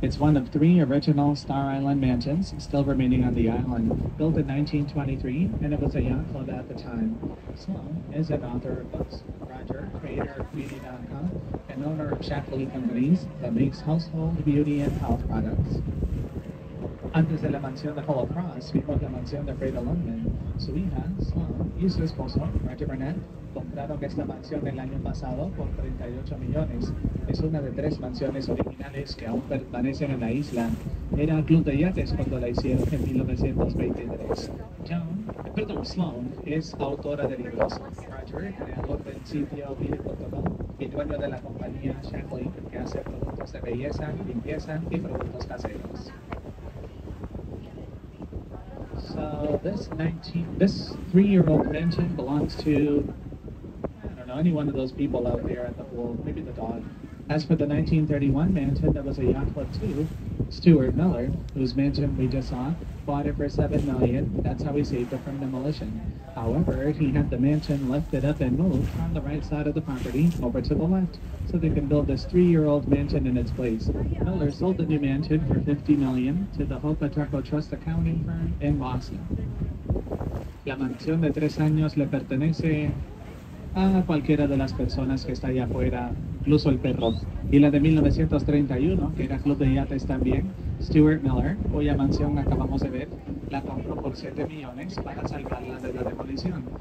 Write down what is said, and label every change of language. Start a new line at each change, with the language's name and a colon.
English: It's one of three original Star Island mansions still remaining on the island, built in 1923, and it was a yacht club at the time. Sloan is an author of books, Roger, creator of beauty.com, and owner of Shaquille Companies that makes household beauty and health products.
Spanish: Antes de la mansión de Philip Frost, vimos la mansión de Freda Lindemann. Su hija, Sloan, y su esposo, Roger Burnett, compraron esta mansión el año pasado por 38 millones. Es una de tres mansiones originales que aún permanecen en la isla. Era club de yates cuando la hicieron en 1923. Sloan es autora de libros. Roger, creador del sitio veritable.com y dueño de la compañía Shaquille, que hace productos de belleza, limpieza y productos caseros.
English: This 3-year-old mansion belongs to, I don't know, any one of those people out there at the pool, maybe the dog. As for the 1931 mansion, that was a yacht club too. Stuart Miller, whose mansion we just saw, bought it for $7 million. That's how he saved it from demolition. However, he had the mansion lifted up and moved from the right side of the property over to the left, so they can build this 3-year-old mansion in its place. Miller sold the new mansion for $50 million to the Hopa Truco Trust accounting firm in Boston.
Spanish: La mansión de 3 años le pertenece a cualquiera de las personas que está allá afuera, incluso el perro. Y la de 1931, que era club de yates también, Stuart Miller, cuya mansión acabamos de ver, la compró por 7 millones para salvarla de la demolición.